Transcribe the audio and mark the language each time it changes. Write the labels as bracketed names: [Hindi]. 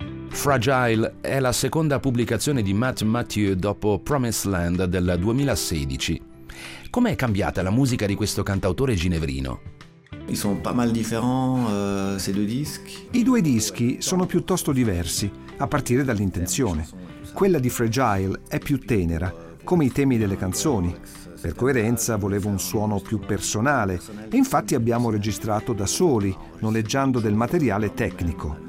[Italian] Fragile è la seconda pubblicazione di Matt Mathieu dopo Promised Land del 2016. Com'è cambiata la musica di questo cantautore ginevrino? [French] Ils sont pas mal différents, ces deux disques. [Italian] I due dischi sono piuttosto diversi, a partire dall'intenzione. Quella di Fragile è più tenera, come i temi delle canzoni. Per coerenza volevo un suono più personale e infatti abbiamo registrato da soli, noleggiando del materiale tecnico.